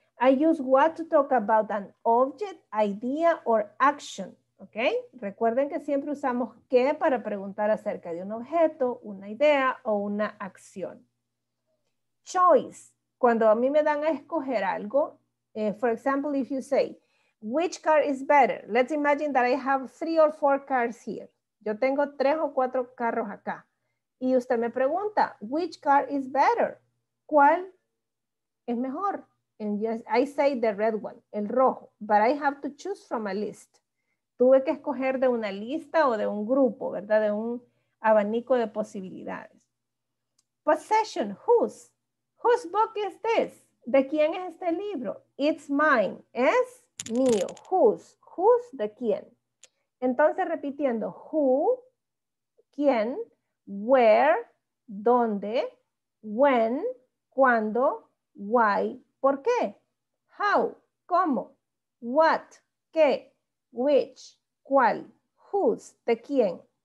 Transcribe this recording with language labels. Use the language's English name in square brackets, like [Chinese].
[English] I use what to talk about an object, idea, or action. ¿Ok? [Spanish] Recuerden que siempre usamos qué para preguntar acerca de un objeto, una idea o una acción. [English] Choice. [Spanish] Cuando a mí me dan a escoger algo, [English] for example, if you say, which car is better? Let's imagine that I have 3 or 4 cars here. [Spanish] Yo tengo 3 o 4 carros acá. Y usted me pregunta, [English] which car is better? [Spanish] ¿Cuál es mejor? [English] And yes, I say the red one, [Spanish] el rojo. [English] But I have to choose from a list. [Spanish] Tuve que escoger de una lista o de un grupo, ¿verdad? De un abanico de posibilidades. [English] Possession, whose? Whose book is this? [Spanish] ¿De quién es este libro? [English] It's mine. [Spanish] Es mío. Whose? Whose? ¿De quién? Entonces, repitiendo, who, quién, where, dónde, when, cuándo, why, por qué, how, cómo, what, qué, which, cuál, whose, ¿de quién?